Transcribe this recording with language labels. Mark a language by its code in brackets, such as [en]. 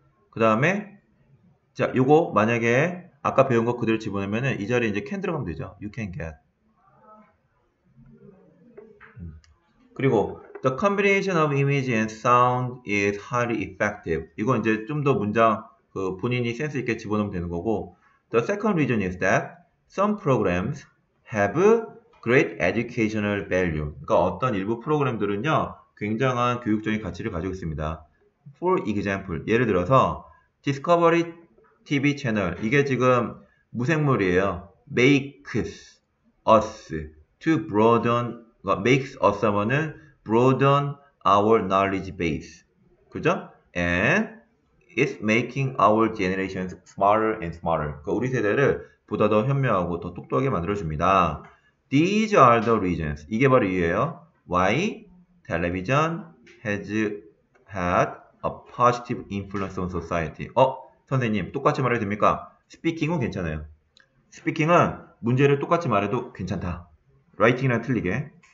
[ko] 그 다음에 자 요거 만약에 아까 배운 거 그대로 집어넣으면은 이 자리에 이제 can 들어가면 되죠. [en] You can get. 그리고 the combination of image and sound is highly effective. [ko] 이건 이제 좀더 문장 그 본인이 센스 있게 집어넣으면 되는 거고 [en] the second reason is that some programs have Great educational value. [ko] 그러니까 어떤 일부 프로그램들은요, 굉장한 교육적인 가치를 가지고 있습니다. [en] For example, [ko] 예를 들어서 Discovery TV 채널, 이게 지금 무생물이에요. [en] Makes us to broaden, makes us [ko] 하면은 [en] broaden our knowledge base, [ko] 그죠? [en] And it's making our generations smarter and smarter. [ko] 그러니까 우리 세대를 보다 더 현명하고 더 똑똑하게 만들어 줍니다. [en] These are the reasons. [ko] 이게 바로 이유예요. [en] Why television has had a positive influence on society. [ko] 선생님, 똑같이 말해도 됩니까? Speaking은 괜찮아요. Speaking은 문제를 똑같이 말해도 괜찮다. Writing이랑 틀리게.